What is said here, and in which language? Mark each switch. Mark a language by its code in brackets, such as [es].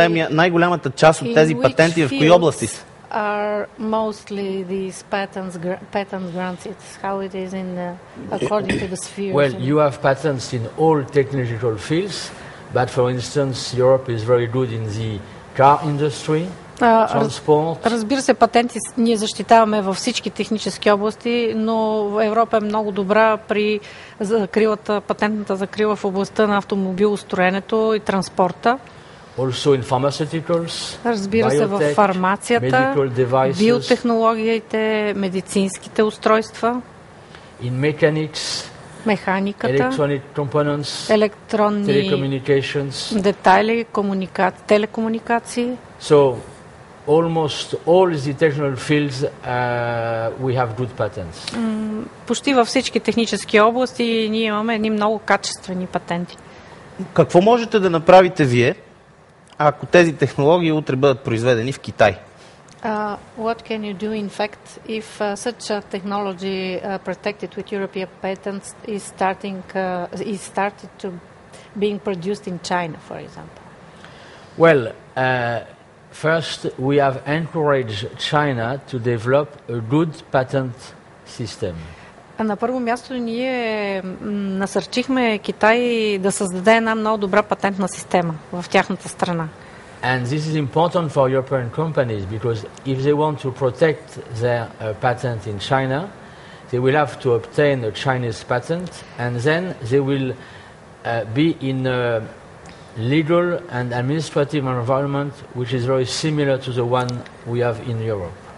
[bg] Най-голямата част от тези патенти в кои области са? [en] Are mostly these patents granted? How it is in according to the spheres? Well, you have patents in all technological fields, but for instance, Europe is very good in the car industry, transport. [bg] Разбира се, патенти ние защитаваме във всички технически области, но Европа е много добра при закрилата, патентната закрила в областта на автомобилостроенето и транспорта. [en] Also in pharmaceuticals, [bg] разбира се, [en] biotech, [bg] в фармацията, [en] medical devices, [bg] биотехнологиите, медицинските устройства, [en] in mechanics, [bg] механиката, [en] electronic components, [bg] електронни [en] telecommunications, [bg] детайли, телекомуникации. [en] So, almost all the technical fields we have good patents. [bg] Почти във всички технически области ние имаме едни много качествени патенти. Какво можете да направите вие, ако тези технологии утре бъдат произведени в Китай? [en] What can you do in fact if such a technology protected with European patents is started to being produced in China, for example? Well, first, we have encouraged China to develop a good patent system. [bg] На първо място ние насърчихме Китай да създаде една много добра патентна система в тяхната страна. [en] And this is important for European companies because if they want to protect their patent in China, they will have to obtain a Chinese patent and then they will be in a legal and administrative environment which is very similar to the one we have in Europe.